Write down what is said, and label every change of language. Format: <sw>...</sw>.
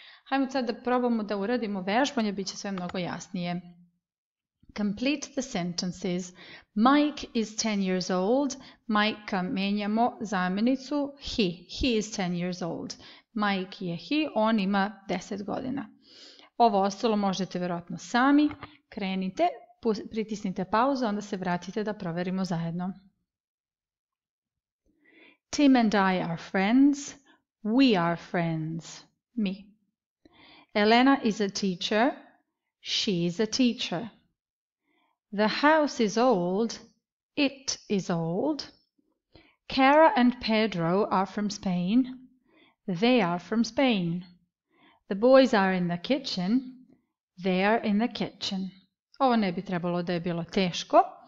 <sr>Hajmo sad da probamo da uradimo vežbanje, bit će sve mnogo jasnije.</sr> <en>Complete the sentences. Mike is 10 years old.</en> <sr>Mike-a menjamo zamjenicu he.</sr> <en>He is 10 years old.</en> <sr>Mike je he, on ima 10 godina. Ovo ostalo možete vjerojatno sami. Krenite, pritisnite pauzu, onda se vratite da proverimo zajedno.</sr> <en>Tim and I are friends. We are friends. Mi. Elena is a teacher. She is a teacher. The house is old. It is old. Cara and Pedro are from Spain. They are from Spain. The boys are in the kitchen. They are in the kitchen.</en> <sr>Ovo ne bi trebalo da je bilo teško.</sr>